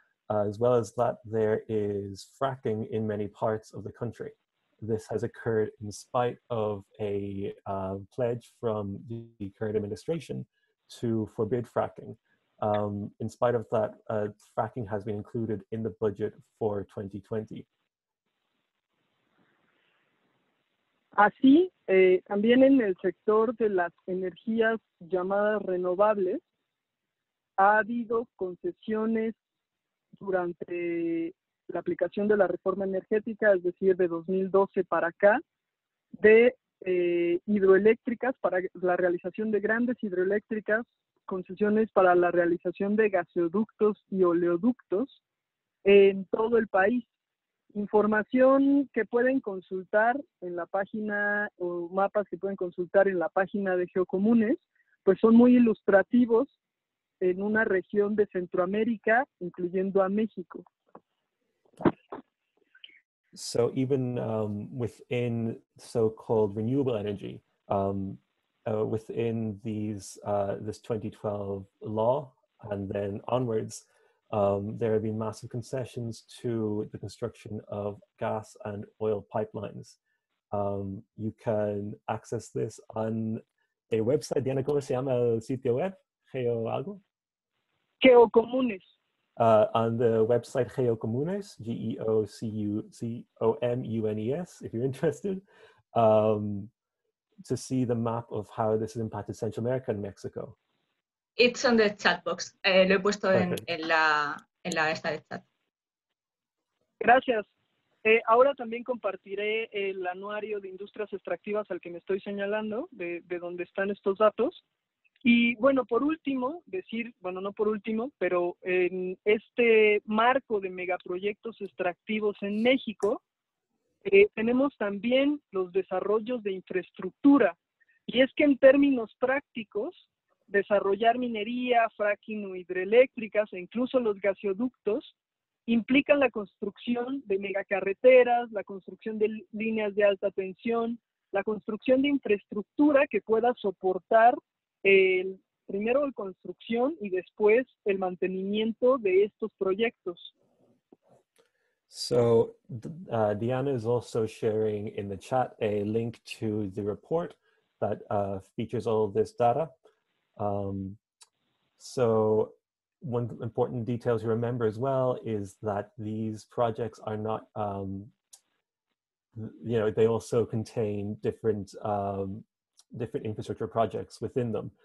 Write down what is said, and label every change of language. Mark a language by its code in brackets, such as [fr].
[en] As well as that, there is fracking in many parts of the country. This has occurred in spite of a pledge from the current administration to forbid fracking. In spite of that, fracking has been included in the budget for 2020. [es] Así, también en el sector de las energías llamadas renovables, ha habido concesiones durante la aplicación de la reforma energética, es decir, de 2012 para acá, de hidroeléctricas para la realización de grandes hidroeléctricas, concesiones para la realización de gasoductos y oleoductos en todo el país. Información que pueden consultar en la página o mapas que pueden consultar en la página de Geocomunes, pues son muy ilustrativos en una región de Centroamérica, incluyendo a México. [en] So even within so-called renewable energy, within these this 2012 law and then onwards, there have been massive concessions to the construction of gas and oil pipelines. You can access this on a website. [es] Diana, ¿cómo se llama el sitio web? ¿Geo algo? Geocomunes. [en] On the website Geocomunes, Geocomunes, if you're interested, to see the map of how this has impacted Central America and Mexico. It's on the chat box. [es] Lo he puesto en la esta de chat. Gracias. Ahora también compartiré el anuario de industrias extractivas al que me estoy señalando, de donde están estos datos. Y bueno, por último, decir, bueno, no por último, pero en este marco de megaproyectos extractivos en México, tenemos también los desarrollos de infraestructura. Y es que en términos prácticos, desarrollar minería, fracking o hidroeléctricas, e incluso los gasoductos, implican la construcción de megacarreteras, la construcción de líneas de alta tensión, la construcción de infraestructura que pueda soportar el primero la construcción y después el mantenimiento de estos proyectos. [en] So Diana is also sharing in the chat a link to the report that features all of this data. So one important detail to remember as well is that these projects are not, you know, they also contain different infrastructure projects within them.